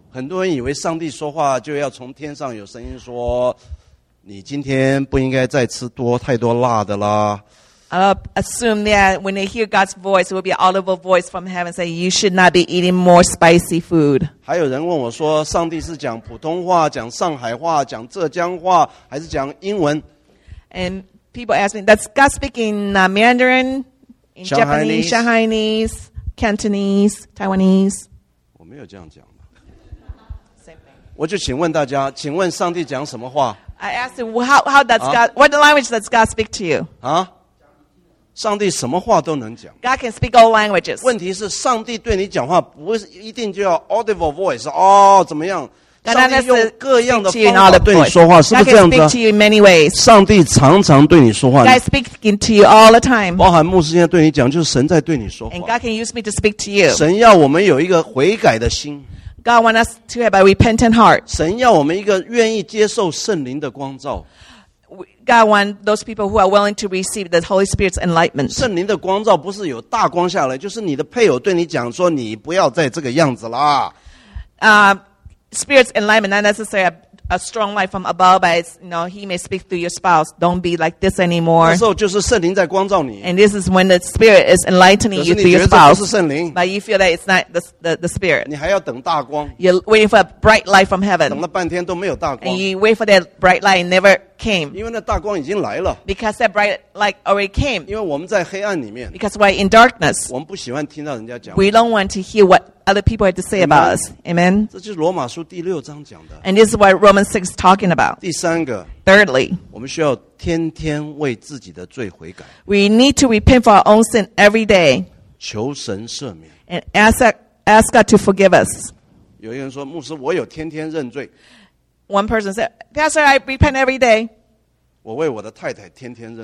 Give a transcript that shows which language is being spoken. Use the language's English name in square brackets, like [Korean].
[Chinese] 很多人以为上帝说话就要从天上有声音说，你今天不应该再吃多太多辣的啦。 [English] Assume that when they hear God's voice, it will be an audible voice from heaven saying, you should not be eating more spicy food. [Chinese] 还有人问我说，上帝是讲普通话，讲上海话，讲浙江话，还是讲英文？ [English] And people ask me, does God speak in Mandarin, in Japanese, Shanghainese? Cantonese, Taiwanese. [Chinese] 我没有这样讲。我就请问大家，请问上帝讲什么话？ [English] I asked you, how does God, what language does God speak to you? [Chinese] 啊？上帝什么话都能讲。 [English] God can speak all languages. [Chinese] 问题是上帝对你讲话不一定就要 [English] audible voice, [Chinese] 哦，怎么样？上帝用各样的方法对你说话，是不是这样子？ [English] God can speak to you in many ways. [Chinese] 上帝常常对你说话。 [English] God speaking to you all the time. [Chinese] 包含牧师现在对你讲，就是神在对你说话。 [English] And God can use me to speak to you. [Chinese] 神要我们有一个悔改的心。 [English] God wants us to have a repentant heart. [Chinese] 神要我们一个愿意接受圣灵的光照。 [English] God wants those people who are willing to receive the Holy Spirit's enlightenment. [Chinese] 圣灵的光照不是有大光下来，就是你的配偶对你讲说，你不要再这个样子啦。 [English] Spirit's enlightenment, not necessarily a strong light from above, but it's, you know, he may speak through your spouse. Don't be like this anymore. [Chinese] 那时候就是圣灵在光照你。 [English] And this is when the Spirit is enlightening you through your spouse. [Chinese] 可是你觉得这不是圣灵。 [English] But you feel that it's not the Spirit. [Chinese] 你还要等大光。 [English] You're waiting for a bright light from heaven. [Chinese] 等了半天都没有大光。 [English] And you wait for that bright light and never came. [Chinese] 因为那大光已经来了。 [English] Because that bright light already came. [Chinese] 因为我们在黑暗里面。 [English] Because we're in darkness. [Chinese] 我们不喜欢听到人家讲。 [English] We don't want to hear what other people have to say about us. Amen. [Chinese] 这就是罗马书第六章讲的。 [English] And this is what Romans 6 is talking about. [Chinese] 第三个。 [English] Thirdly. [Chinese] 我们需要天天为自己的罪悔改。 [English] We need to repent for our own sin every day. [Chinese] 求神赦免。 [English] And ask God to forgive us. [Chinese] 有一个人说，牧师，我有天天认罪。 [English] One person said, Pastor, I repent every day. [Chinese] 我为我的太太天天认罪。